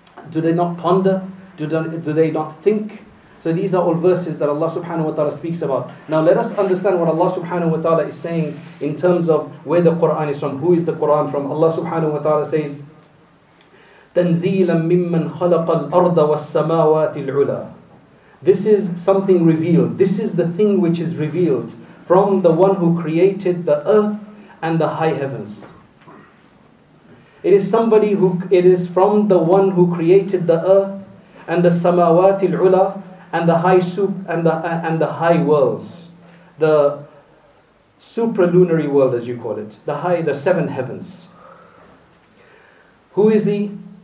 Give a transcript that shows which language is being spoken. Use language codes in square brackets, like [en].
[en] Do they not ponder? Do they not think? So these are all verses that Allah subhanahu wa ta'ala speaks about. Now let us understand what Allah subhanahu wa ta'ala is saying in terms of where the Quran is from. Who is the Quran from? Allah subhanahu wa ta'ala says, [ar] تَنْزِيلًا مِّمَّنْ خَلَقَ الْأَرْضَ وَالسَّمَاوَاتِ الْعُلَى. [en] This is something revealed. This is the thing which is revealed from the one who created the earth and the high heavens. It is from the one who created the earth and the samawati al-ula, and the high soup and the high worlds, the supralunary world, as you call it, the seven heavens. Who is he?